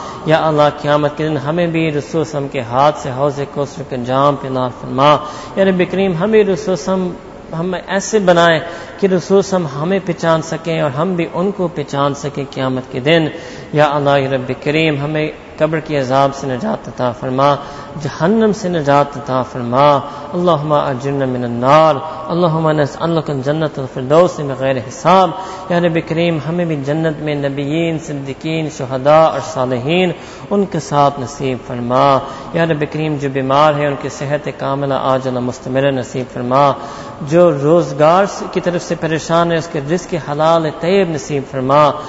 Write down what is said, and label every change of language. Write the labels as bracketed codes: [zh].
[ur] یا اللہ قیامت کے دن ہمیں بھی رسول صلی اللہ علیہ وسلم کے ہاتھ سے حوض کوثر کے جام پلا فرما. یا رب کریم ہمیں رسول صلی اللہ علیہ وسلم ہمیں ایسے بنائے کہ رسول ہم ہمیں پہچان سکیں اور ہم بھی ان کو پہچان سکیں قیامت کے دن. یا اللہ یا رب کریم ہمیں قبر کے عذاب سے نجات عطا فرما, جہنم سے نجات عطا فرما. [ar] اللہم اجرنا من النار, اللہم نسألک الجنۃ الفردوس بغیر حساب. [ur] یا رب کریم ہمیں بھی جنت میں نبیین, صدیقین, شہداء اور صالحین ان کے ساتھ نصیب فرما. یا رب کریم جو بیمار ہیں ان کی صحت کاملہ عاجلہ مستمرہ نصیب فرما, جو روزگار کی طرف سے پریشان ہے اس کے رزق حلال طیب نصیب فرما.